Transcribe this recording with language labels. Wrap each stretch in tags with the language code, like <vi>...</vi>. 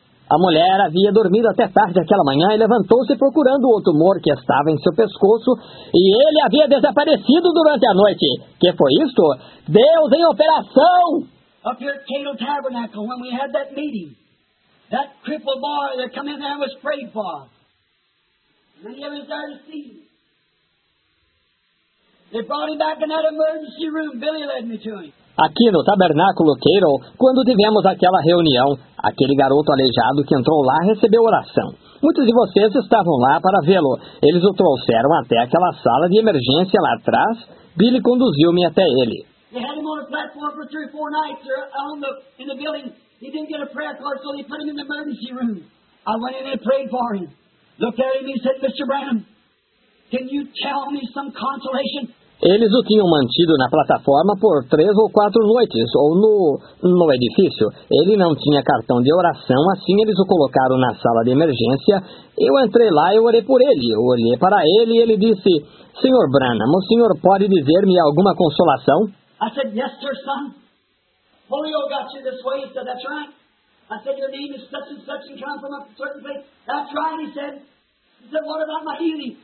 <pt>A mulher havia dormido até tarde aquela manhã e levantou-se procurando o tumor que estava em seu pescoço e ele havia desaparecido durante a noite. Que foi isto? Deus em operação!</pt> <en>Up here at Cato Tabernacle, when we had that meeting, that crippled boy that came in there and was prayed for. And he was there to see him. They brought him back in that emergency room. Billy led me to him.</en> <pt>Aqui no Tabernáculo Cato, quando tivemos aquela reunião, aquele garoto aleijado que entrou lá recebeu oração. Muitos de vocês estavam lá para vê-lo. Eles o trouxeram até aquela sala de emergência lá atrás. Billy conduziu-me até ele.</pt> <en>They had him on a platform for three or four nights in the building. He didn't get a prayer card, so they put him in the emergency room. I went in and prayed for him. Looked at him and said, Mr. Branham, can you tell me some consolation?</en> <pt>Eles o tinham mantido na plataforma por três ou quatro noites, ou no edifício. Ele não tinha cartão de oração, assim eles o colocaram na sala de emergência. Eu entrei lá e orei por ele. Eu olhei para ele e ele disse, Senhor Branham, o senhor pode dizer-me alguma consolação?</pt> <en>I said, yes, sir, son. Polio got you this way. He said, that's right. I said, your name is such and such and come from a certain place. That's right, he said. He said, what about my healing?</en>